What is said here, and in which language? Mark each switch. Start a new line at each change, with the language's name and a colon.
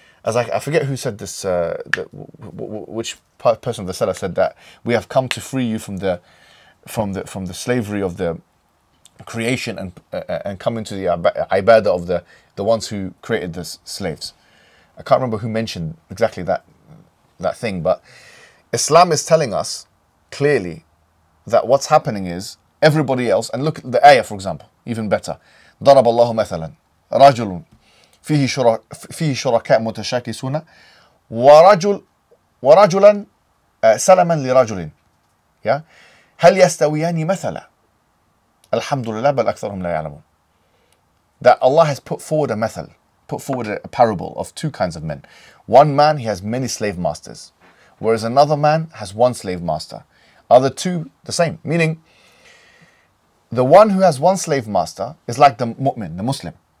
English: As I forget who said this, which person of the seller said that we have come to free you from the slavery of the creation and come into the ibadah of the ones who created the slaves. I can't remember who mentioned exactly that thing, but Islam is telling us clearly that what's happening is everybody else, and look at the ayah for example, even better.
Arabic: ضرب الله مثلا رجل فيه شركاء متشاكسون ورجلا سلما لرجل هل يستويان مثلا الحمد لله بل أكثرهم لا يعلمون.
English: That Allah has put forward a method, put forward a parable of two kinds of men. One man, he has many slave masters, whereas another man has one slave master. Are the two the same? Meaning, the one who has one slave master is like the mu'min, the Muslim.